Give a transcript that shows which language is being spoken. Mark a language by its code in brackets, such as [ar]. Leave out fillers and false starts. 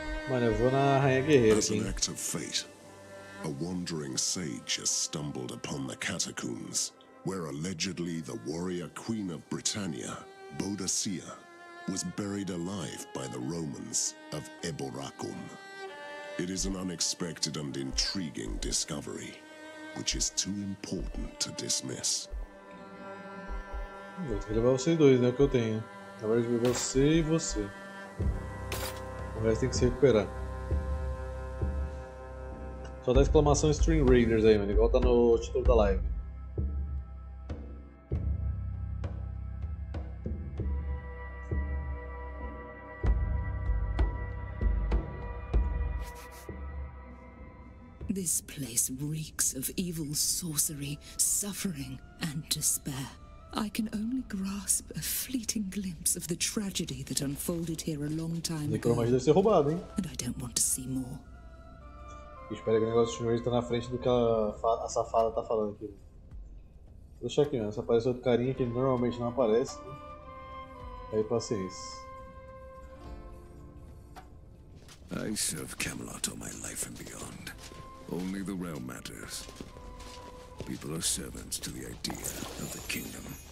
[pt] Mano, eu vou na Rainha Guerreira aqui. [en] As an act of fate, a wandering sage has stumbled upon the catacombs, where allegedly the warrior queen of Britannia, Boadicea, was buried alive by the Romans of Eboracum. It is an unexpected and intriguing discovery, which is too important to dismiss. [pt] Vou ter que levar vocês dois, né, que eu tenho. Na verdade, você e você. O resto tem que se recuperar. Só dá exclamação Stream Raiders aí, mano. Igual tá no título da live. [en] This place reeks of evil sorcery, suffering and despair. I can only grasp a fleeting glimpse of the tragedy that unfolded here a long time ago. [pt] Necromagia deve ser roubada, hein? [en] And I don't want to see more. [pt] Espera que o negócio de está na frente do que a safada tá falando aqui. Vou deixar aqui, mano. Se aparece outro carinha que normalmente não aparece, né? Aí paciência. [en] I serve Camelot all my life and beyond. Only the realm matters. People are servants to the idea of the kingdom.